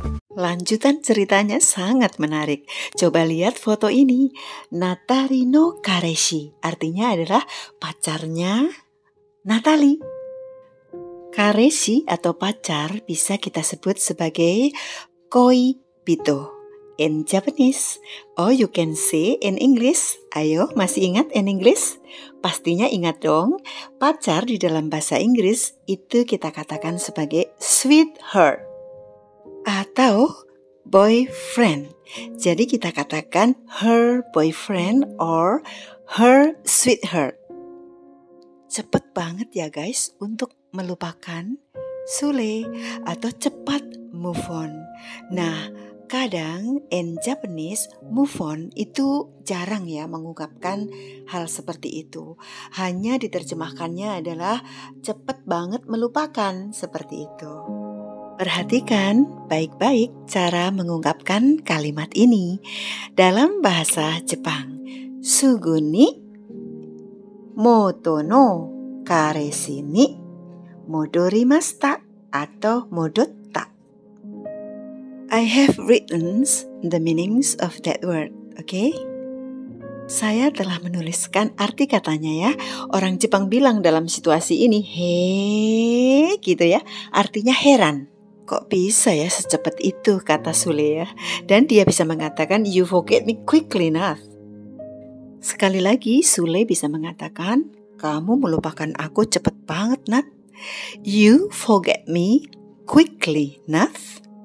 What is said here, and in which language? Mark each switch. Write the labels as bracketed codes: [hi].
[id] Lanjutan ceritanya sangat menarik. Coba lihat foto ini. [ja] Natari no kareshi [id] artinya adalah pacarnya Natalie. Kareshi atau pacar bisa kita sebut sebagai koi bito [en] in Japanese. Oh, you can say in English. [id] Ayo, masih ingat [en] in English? [id] Pastinya ingat dong. Pacar di dalam bahasa Inggris itu kita katakan sebagai sweetheart. Atau boyfriend. Jadi kita katakan [en] her boyfriend or her sweetheart. [id] Cepat banget ya guys untuk melupakan Sule atau cepat move on. Nah, kadang [en] in Japanese [id] move on itu jarang ya mengungkapkan hal seperti itu. Hanya diterjemahkannya adalah cepat banget melupakan seperti itu. Perhatikan baik-baik cara mengungkapkan kalimat ini dalam bahasa Jepang. [ja] Sugu ni moto no kareshi ni modorimashita atau modotta. [en] I have written the meanings of that word, okay? [id] Saya telah menuliskan arti katanya ya. Orang Jepang bilang dalam situasi ini, hey, gitu ya, artinya heran. Kok bisa ya secepat itu, kata Sule ya. Dan dia bisa mengatakan, [en] you forget me quickly enough. [id] Sekali lagi, Sule bisa mengatakan, kamu melupakan aku cepat banget, Nat. [en] You forget me quickly enough.